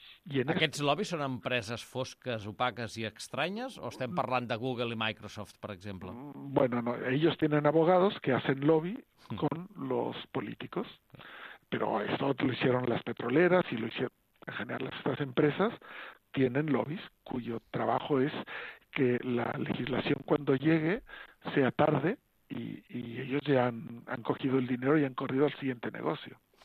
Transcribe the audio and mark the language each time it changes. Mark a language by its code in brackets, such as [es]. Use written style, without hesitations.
[es] Y en [ca] Aquests lobbies són empreses fosques, opaques i estranyes? O estem parlant de Google i Microsoft, per exemple? [es] Bueno, no, ellos tienen abogados que hacen lobby con los políticos, pero esto lo hicieron las petroleras y lo hicieron en general estas empresas, tienen lobbies cuyo trabajo es que la legislación cuando llegue sea tarde y ellos ya han cogido el dinero y han corrido al siguiente negocio.